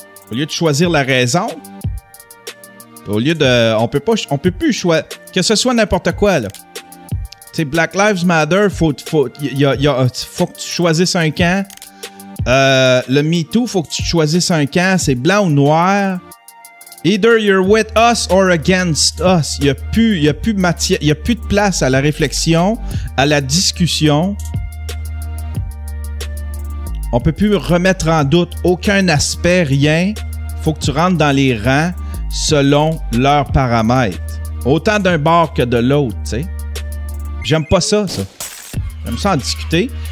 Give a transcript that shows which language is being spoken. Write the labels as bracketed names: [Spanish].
[French] Au lieu de choisir la raison, au lieu de... On peut plus choisir... Que ce soit n'importe quoi, là. Tu sais, Black Lives Matter, faut que tu choisisses un camp. Le Me Too, faut que tu choisisses un camp. C'est blanc ou noir. [English] Either you're with us or against us. [French] Il n'y a plus de place à la réflexion, à la discussion. On ne peut plus remettre en doute aucun aspect, rien. Faut que tu rentres dans les rangs selon leurs paramètres. Autant d'un bord que de l'autre, tu sais. J'aime pas ça, ça. J'aime ça en discuter.